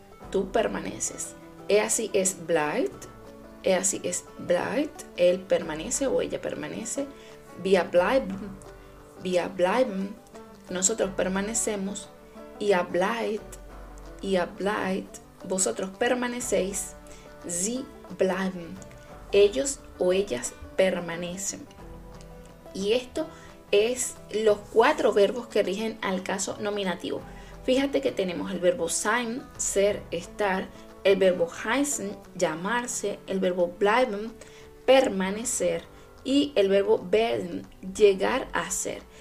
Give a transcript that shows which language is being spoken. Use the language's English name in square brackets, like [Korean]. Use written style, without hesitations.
[Spanish] Tú permaneces. [German] Er sie ist bleibt. Er sie ist bleibt. [Spanish] Él permanece o ella permanece. [German] Wir bleiben. Wir bleiben. [Spanish] Nosotros permanecemos. [German] Ihr bleibt, [Spanish] vosotros permanecéis. [German] Sie bleiben, [Spanish] ellos o ellas permanecen. Y esto es los cuatro verbos que rigen al caso nominativo. Fíjate que tenemos el verbo sein, ser, estar, el verbo heißen, llamarse, el verbo bleiben, permanecer, y el verbo werden, llegar a ser.